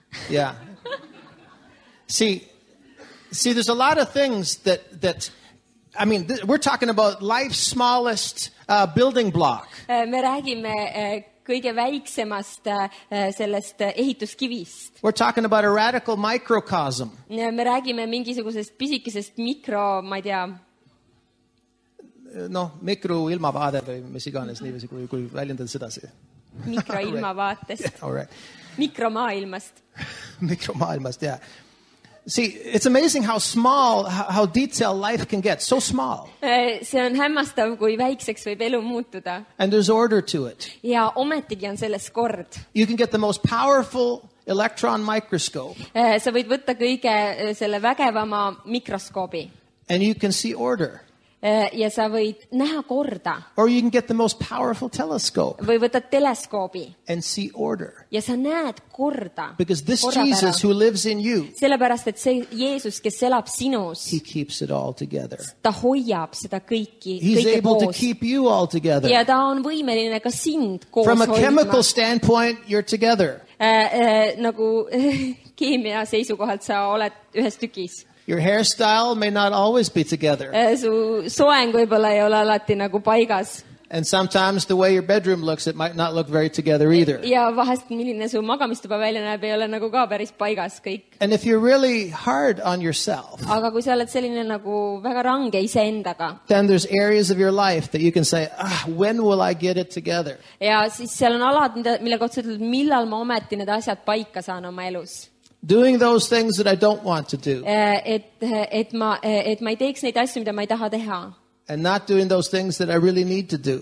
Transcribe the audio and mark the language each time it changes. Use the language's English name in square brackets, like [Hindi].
[English] Yeah. See there's a lot of things that I mean we're talking about life's smallest building block. [Estonian] Me räägime kõige väiksemast sellest ehituskivist. [English] We're talking about a radical microcosm. [Estonian] Me räägime mingisugusest pisikesest mikro ilmavaade või mis iganes niiviisi kui väljendada seda see. Mikroilmavaatest. [English] Yeah, all right. [Estonian] Mikromaailmast. Mikromaailmast, yeah. [English] See, it's amazing how small, how detailed life can get. So small. [Estonian] See on hämmastav, kui väikseks võib elu muutuda. [English] And there's order to it. [Estonian] Ja ometigi on selles kord. [English] You can get the most powerful electron microscope. [Estonian] Sa võid võtta kõige selle vägevama mikroskoobi. [English] And you can see order. [Estonian] Ja sa võid näha korda. [English] Or you can get the most powerful telescope. [Estonian] Või võtta teleskoobi. [English] And see order. [Estonian] Ja sa näed korda. [English] Because this Jesus who lives in you. [Estonian] Sellepärast, et see Jeesus, kes elab sinus. [English] He keeps it all together. [Estonian] Ta hoiab seda kõiki. [English] He's able to keep you all together. [Estonian] Ja ta on võimeline ka sind koos hoidma. [English] From a chemical standpoint, you're together. [Estonian] Nagu keemia seisukohalt sa oled ühes tükis. [English] Your hairstyle may not always be together. [Estonian] Su soeng võib-olla ei ole alati nagu paigas. [English] And sometimes the way your bedroom looks, it might not look very together either. [Estonian] Ja vahest milline su magamistuba välja näeb, ei ole nagu ka päris paigas kõik. [English] And if you're really hard on yourself. [Estonian] Aga kui sa oled selline nagu väga range ise endaga. [English] Then there's areas of your life that you can say, ah, when will I get it together? [Estonian] Ja siis seal on alad, mille kohta ütled, millal ma ometi need asjad paika saan oma elus. [English] Doing those things that I don't want to do. [Estonian] Et ma ei teeks neid asju, mida ma ei taha teha. [English] And not doing those things that I really need to do.